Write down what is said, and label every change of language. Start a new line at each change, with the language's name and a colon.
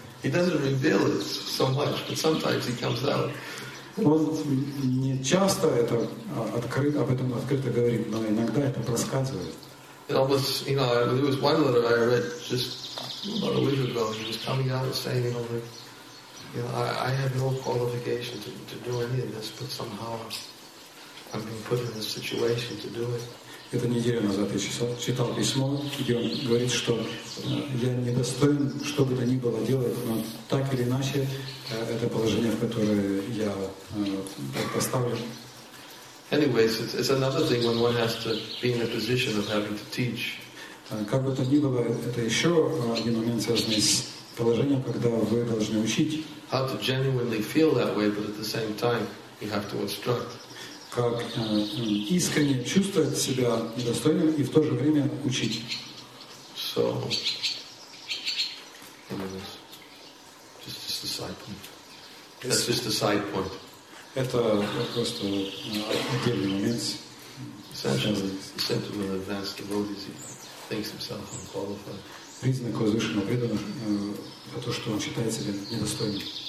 English: He doesn't reveal it so much, but sometimes it comes out.
Russian: Он не часто это об этом открыто говорит, но иногда это проскальзывает.
English: It almost, you know, there was one letter I read just about a week ago. He was coming out and saying, you know, that, you know, I have no qualification to do any of this, but somehow I'm being put in this situation to do it.
Russian: Это неделю назад я читал письмо, где он говорит, что я недостоин, что бы то ни было делать, но так или иначе, это положение, в которое я поставлен.
English: Anyways, it's another thing when one has to be in a position of having to teach.
Russian: Как бы то ни было, это еще один момент, связанный с положением, когда вы должны учить.
English: How to genuinely feel that way, but at the same time, you have to instruct.
Russian: Как искренне чувствовать себя недостойным и в то же время учить.
English: So, just a side point. That's just a side point.
Russian: Это просто отдельный момент.
English: Essentially, the sentiment of advanced devotees, he thinks himself unqualified.
Russian: Признак возвышенного преданного, за то, что он считает себя недостойным.